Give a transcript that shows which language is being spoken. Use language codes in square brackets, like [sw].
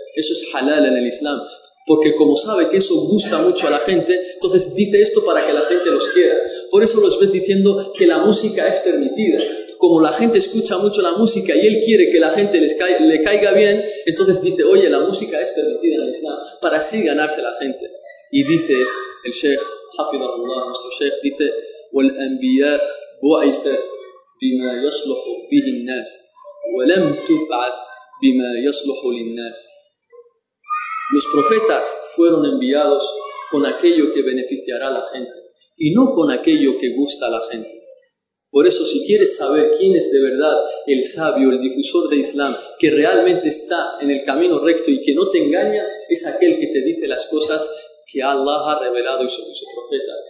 [es] Eso es halal en el Islam. Porque como sabe que eso gusta mucho a la gente, entonces dice esto para que la gente los quiera. Por eso los ves diciendo que la música es permitida. Como la gente escucha mucho la música y él quiere que la gente le caiga bien, entonces dice, oye, la música es permitida en el Islam, para así ganarse la gente. Y dice el Sheikh, Hafidahullah, nuestro Sheikh, dice, [ar] وَالْأَنْبِيَاءُ بُعِثَتْ بِمَا يَصْلُحُ بِهِ النَّاسِ وَلَمْ تُبْعَثْ بِمَا يَصْلُحُ لِلنَّاسِ. [es] Los profetas fueron enviados con aquello que beneficiará a la gente y no con aquello que gusta a la gente. Por eso, si quieres saber quién es de verdad el sabio, el difusor de Islam, que realmente está en el camino recto y que no te engaña, es aquel que te dice las cosas que Allah ha revelado y su profeta,